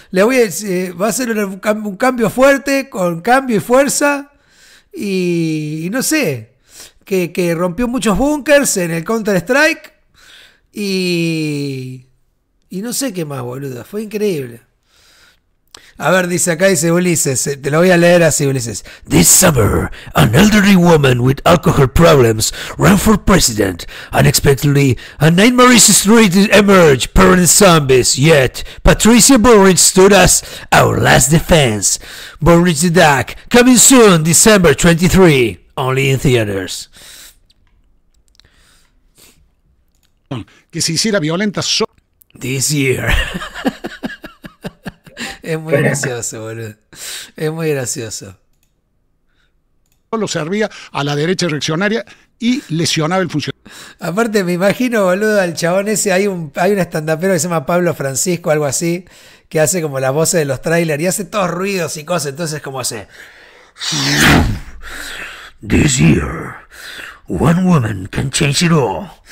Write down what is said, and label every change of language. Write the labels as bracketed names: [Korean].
[Spanish] Le voy a decir, va a ser un cambio fuerte, con cambio y fuerza. Y no sé, que rompió muchos bunkers en el Counter-Strike. Y no sé qué más, boludo, fue increíble. A ver, dice Ulises, te lo voy a leer así, Ulises. [English] This summer, an elderly woman with alcohol problems ran for president. Unexpectedly, a nightmare situation emerged, parent zombies. Yet, Patricia Bullrich stood as our last defense. Bullrich the Duck, coming soon, December 23, only in theaters. [Spanish] Que se hiciera violenta [English] this year. [Spanish] Es muy gracioso, boludo. Es muy gracioso. Solo servía a la derecha reaccionaria y lesionaba el funcionario. Aparte, me imagino, boludo, al chabón ese, hay un stand-upero que se llama Pablo Francisco, algo así, que hace como las voces de los trailers y hace todos ruidos y cosas. Entonces, como hace. [English] This year, one woman can change it all.